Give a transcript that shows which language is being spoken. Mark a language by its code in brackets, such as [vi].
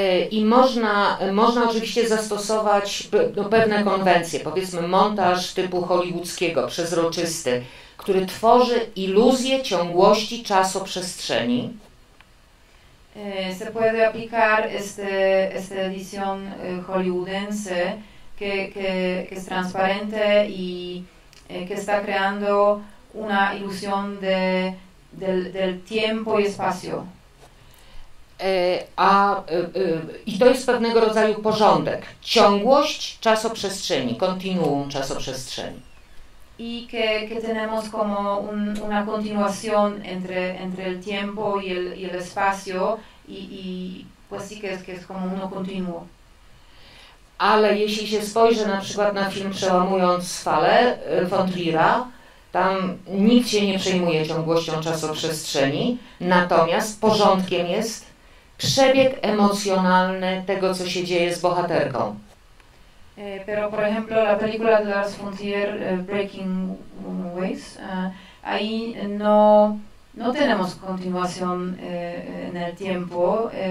[pl] I można oczywiście zastosować pewne konwencje, powiedzmy montaż typu hollywoodzkiego, przezroczysty, który tworzy iluzję ciągłości czasoprzestrzeni. [es] Se puede aplicar esta edición hollywoodense que es transparente y que está creando una ilusión del tiempo y espacio. [pl] I to jest pewnego rodzaju porządek, ciągłość czasoprzestrzeni, kontinuum czasoprzestrzeni. [es] I que tenemos como una continuación entre el tiempo y el espacio y pues sí que es como uno continuo. [pl] Ale jeśli się spojrzy na przykład na film Przełamując falę von Triera, tam nikt się nie przejmuje ciągłością czasoprzestrzeni, natomiast porządkiem jest przebieg emocjonalny tego, co się dzieje z bohaterką. [es] Pero por ejemplo la película de Lars von Trier, Breaking Waves, ahí no tenemos continuación en el tiempo.